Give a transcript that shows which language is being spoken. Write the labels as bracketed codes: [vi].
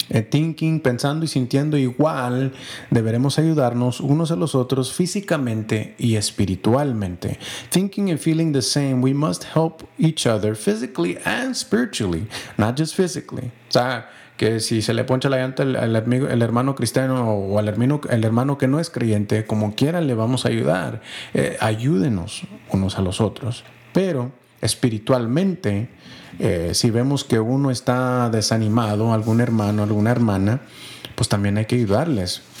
[en] Thinking, [es] pensando y sintiendo igual, deberemos ayudarnos unos a los otros físicamente y espiritualmente. [en] Thinking and feeling the same, we must help each other physically and spiritually, not just physically. [es] O sea, que si se le poncha la llanta al hermano cristiano o al hermano que no es creyente, como quiera le vamos a ayudar. Ayúdenos unos a los otros. Pero espiritualmente, si vemos que uno está desanimado, algún hermano, alguna hermana, pues también hay que ayudarles.